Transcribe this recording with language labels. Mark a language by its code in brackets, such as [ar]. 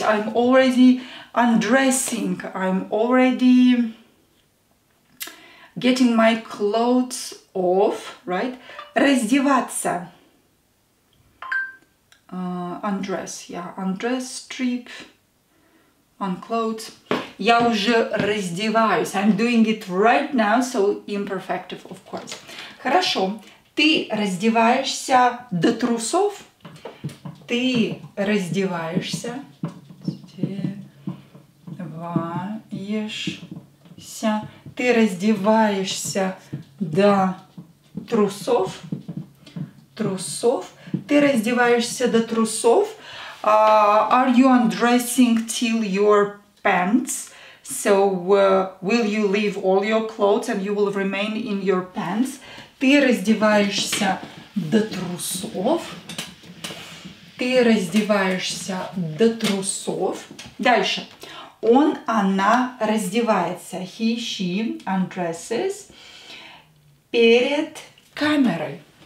[en] I'm already undressing. I'm already getting my clothes off, right? [ru] Раздеваться. [en] Undress, yeah, undress, strip, on clothes. [ru] Я уже раздеваюсь. [en] I'm doing it right now, so imperfective, of course. [ru] Хорошо. Ты раздеваешься до трусов? Ты раздеваешься? Раздеваешься. Ты раздеваешься до трусов? Трусов. Ты раздеваешься до трусов. [en] Are you undressing till your pants? So, will you leave all your clothes and you will remain in your pants? [ru] Ты раздеваешься до трусов. Ты раздеваешься до трусов. Дальше. Он, она раздевается. [en] He, she undresses. [ru] Перед камерой.